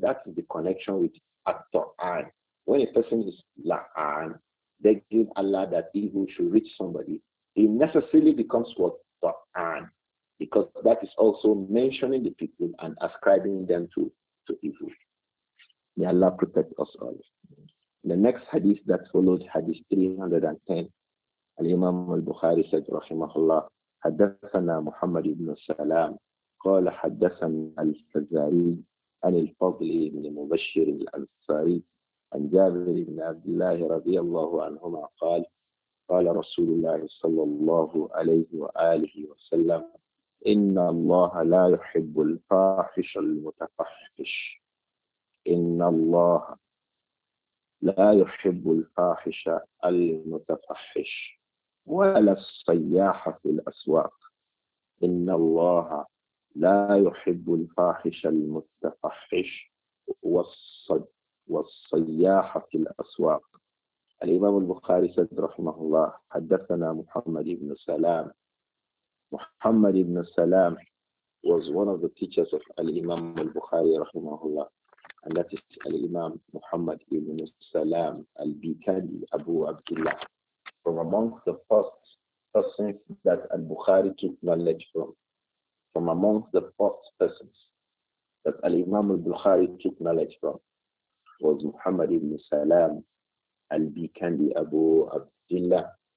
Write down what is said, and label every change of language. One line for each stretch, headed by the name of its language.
English: That is the connection with actor an. When a person is la'an, begging Allah that evil should reach somebody, he necessarily becomes what? Ta'an. Because that is also mentioning the people and ascribing them to evil. May Allah protect us all. The next hadith that follows, hadith 310.
Arabic: الإمام البخاري سيد رحمه الله حدثنا محمد بن سلام قال حدثنا الفزاري عن الفضل بن مبشر الأنصاري عن جابر بن عبد الله رضي الله عنهما قال قال رسول الله صلى الله عليه وآله وسلم إن الله لا يحب الفاحش المتفحش إن الله لا يحب الفاحش المتفحش ولا الصياح في الأسواق إن الله لا يحب الفاحش المتفحش والصياح في الأسواق. الإمام البخاري سيد رحمه الله حدثنا محمد بن سلام. محمد بن سلام
English: was one of the teachers of
Arabic: الإمام البخاري رحمه الله,
English: and that is
Arabic: الإمام محمد بن سلام البيكالي أبو عبد الله.
English: From amongst the first persons that Al-Bukhari took knowledge from amongst the first persons that Al-Imam Al-Bukhari took knowledge from, was Muhammad ibn Salam Al-Bikandi Abu Abdullah.